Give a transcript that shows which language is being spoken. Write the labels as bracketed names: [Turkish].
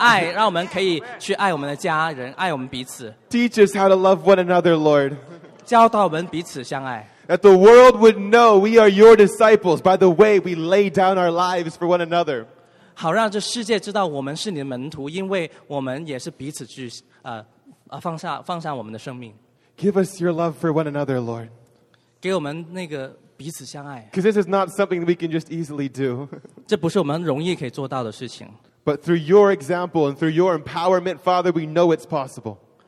[Chinese] 所以我们现在就求告你，给我们同样的爱，让我们可以去爱我们的家人，爱我们彼此。 [English] Teach us how to love one another, Lord. [Chinese] 教导我们彼此相爱。 [English] That the world would know we are your disciples by the way we lay down our lives for one another. [Chinese] 好让这世界知道我们是你的门徒，因为我们也是彼此去放下我们的生命。 [English] Give us your love for one another, Lord. [Chinese] 给我们那个彼此相爱。 [English] Because this is not something that we can just easily do. [Chinese] 这不是我们容易可以做到的事情。 [English] But through your example and through your empowerment, Father, we know it's possible.